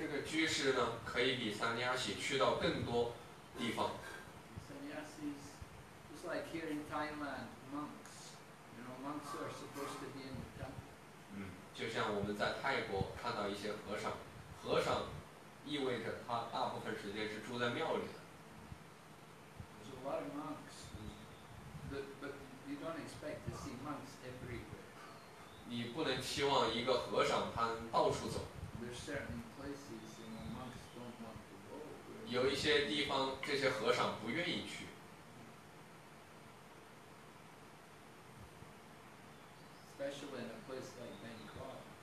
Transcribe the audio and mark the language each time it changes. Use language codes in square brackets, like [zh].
[zh] 居士呢，可以比三尼亚西去到更多地方。 [en] 三尼亚西 is just like here in Thailand, monks. You know, monks are supposed to be in the temple. [zh] 嗯，就像我们在泰国看到一些和尚，和尚意味着他大部分时间是住在庙里的。 [en] There's a lot of monks, but you don't expect to see monks everywhere. [zh] 你不能期望一个和尚他到处走。 [en] There's certain places and the monks don't want to go. [zh] 有一些地方这些和尚不愿意去。 [en] Especially in a place like Bangkok.